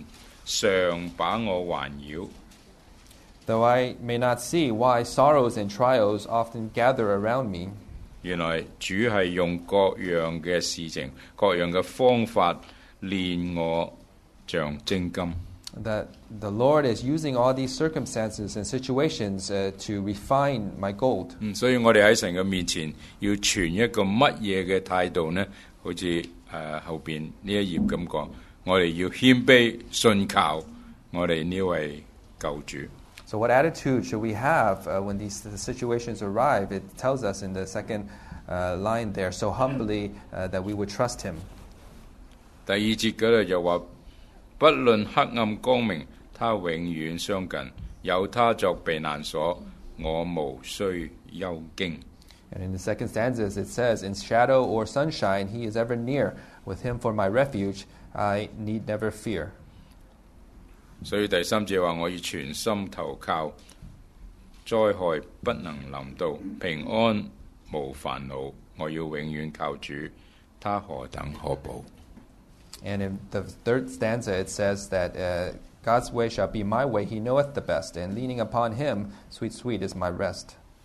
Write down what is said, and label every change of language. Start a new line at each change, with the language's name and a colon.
Chinese: 为何忧愁试炼常把我环绕，
English: though I may not see why sorrows and trials often gather around me,
Chinese: 原来主是用各样的事情，各样的方法炼我像精金。
English: That the Lord is using all these circumstances and situations to refine my gold.
Chinese: 所以我们在神的面前要存一个什么样的态度呢？好像后面这一页这么说，我们要谦卑信靠我们这位救主。
English: So what attitude should we have when these situations arrive? It tells us in the second line there, so humbly that we would trust Him.
Chinese: 第二节那里就说， 不论黑暗光明，他永远相近，有他作避难所，我无需忧惊。
English: And in the second stanza it says, in shadow or sunshine, he is ever near. With him for my refuge, I need never fear.
Chinese: 所以第三节说，我要全心投靠，灾害不能临到，平安无烦恼，我要永远靠主，他何等可保。
English: And in the third stanza, it says that God's way shall be my way. He knoweth the best, and leaning upon Him, sweet, sweet is my rest.